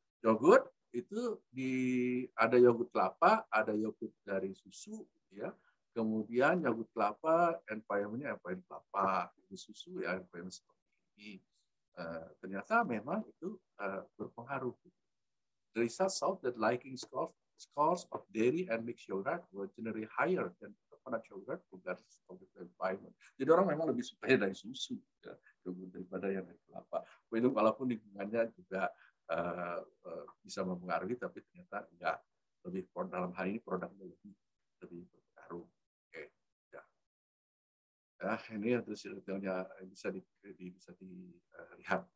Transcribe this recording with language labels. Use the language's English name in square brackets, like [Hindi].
[Indonesian] Yogurt itu ada yogurt kelapa, ada yogurt dari susu, ya. Kemudian yogurt kelapa, environment-nya environment kelapa, susu ya environment seperti ini. Ternyata memang itu berpengaruh. [English] Results show that liking scores of dairy and mixed yogurt were generally higher than coconut yogurt regardless of the environment. [Indonesian] Jadi orang memang lebih suka dari susu ya, daripada yang dari kelapa. Walaupun lingkungannya juga bisa mempengaruhi, tapi ternyata enggak lebih dalam hal ini produknya lebih berpengaruh. Nah, ini yang terus detailnya bisa dilihat.